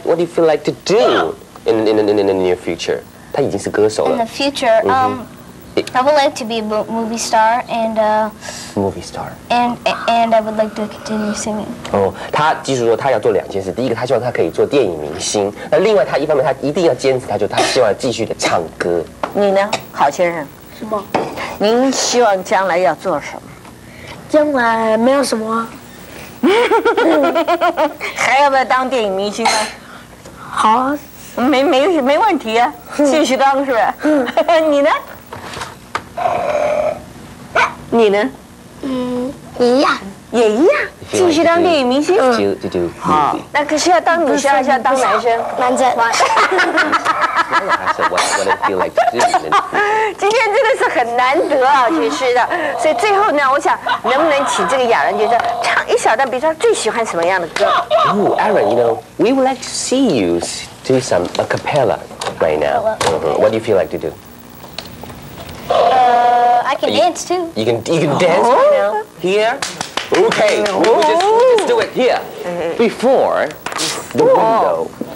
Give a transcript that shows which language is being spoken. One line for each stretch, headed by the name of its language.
English: What do you feel like to do in the near future？
Chinese: 他已经是歌手了。
English: In the future, I would like to be a movie star and a movie star. And I would like to continue singing.
Chinese: 哦，他继续说他要做两件事。第一个，他希望他可以做电影明星。那另外，他一方面他一定要坚持，他希望继续的唱歌。你呢，郝先生？什么？您希望将来要做什么？将来没有什么。还要不要当电影明星呢？好啊，没问题啊，继续当是吧？你呢？你呢？一样，也一样，继续当电影明星。就好。那可是要当女生，还是要当男生？男生。今天真的是很难得啊，其实的。所以最后呢，我想能不能请这个雅人就是唱一小段，比如说最喜欢什么样的歌
English: ？Oh, Aaron, you know, we would like to see you do some a cappella right now. What do you feel like to do? I can dance too. You can dance right now? Here? Okay, we'll just do it here. Before the window.